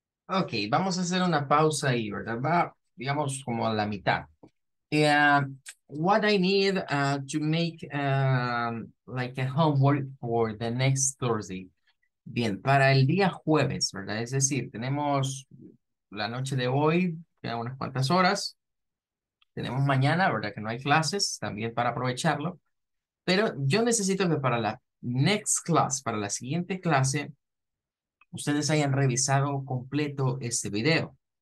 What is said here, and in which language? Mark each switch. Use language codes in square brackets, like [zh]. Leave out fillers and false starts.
[es] Ok, vamos a hacer una pausa ahí, ¿verdad? Va, digamos, como a la mitad. [en] What I need to make like a homework for the next Thursday. [es] Bien, para el día jueves, ¿verdad? Es decir, tenemos la noche de hoy, ya unas cuantas horas. Tenemos mañana, ¿verdad? Que no hay clases, también para aprovecharlo. Pero yo necesito que para la next class, para la siguiente clase, ustedes hayan revisado completo este video.